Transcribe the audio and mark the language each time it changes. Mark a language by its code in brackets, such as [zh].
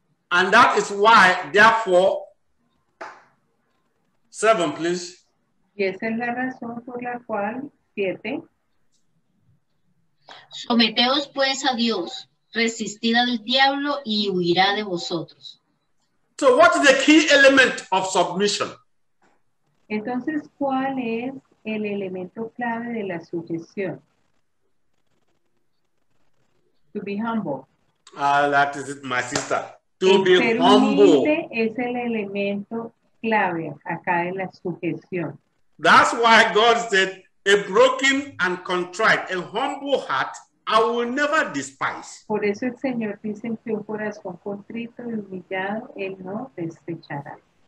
[en] And that is why, therefore, 7, please. [es] Y esa es la razón por la cual, 7. Someteos pues a Dios, resistid al diablo y huirá de vosotros. [en] So what is the key element of submission? [es] Entonces, ¿cuál es el elemento clave de la sujeción? [en] To be humble. Ah, that is it, my sister. to be humble. [es] Es el elemento clave acá de la sujeción. [en] That's why God said, a broken and contrite, a humble heart, I will never despise. [es] Por eso el Señor dice que un corazón contrito y humillado, él no desechará.